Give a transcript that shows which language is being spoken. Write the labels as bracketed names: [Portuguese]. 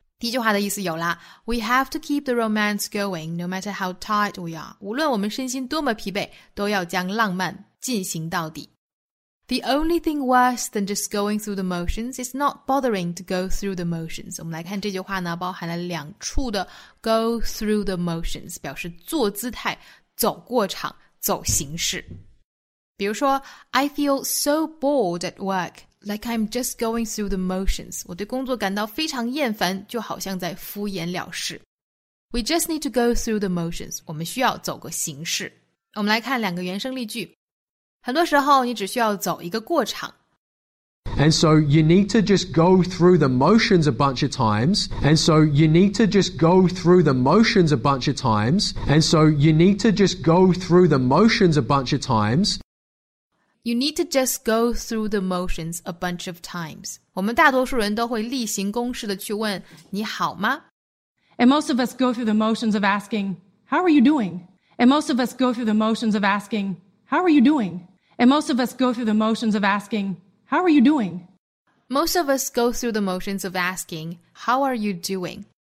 [Chinese] 第一句话的意思有了， [English] We have to keep the romance going, no matter how tired we are. [Chinese] 无论我们身心多么疲惫，都要将浪漫进行到底。 [English] The only thing worse than just going through the motions is not bothering to go through the motions. [Chinese] 我们来看这句话呢，包含了两处的 [English] go through the motions, [Chinese] 表示做姿态、走过场、走形式。比如说 [English] I feel so bored at work, like I'm just going through the motions. [Chinese] 我对工作感到非常厌烦，就好像在敷衍了事。 [English] We just need to go through the motions. [Chinese] 我们需要走个形式。我们来看两个原声例句。很多时候你只需要走一个过场。 [English] And so you need to just go through the motions a bunch of times. And so you need to just go through the motions a bunch of times. And so you need to just go through the motions a bunch of times. You need to just go through the motions a bunch of times. [Chinese] 我们大多数人都会例行公事的去问你好吗？ [English] And most of us go through the motions of asking, how are you doing? And most of us go through the motions of asking,How are you doing? And most of us go through the motions of asking, How are you doing? Most of us go through the motions of asking, How are you doing?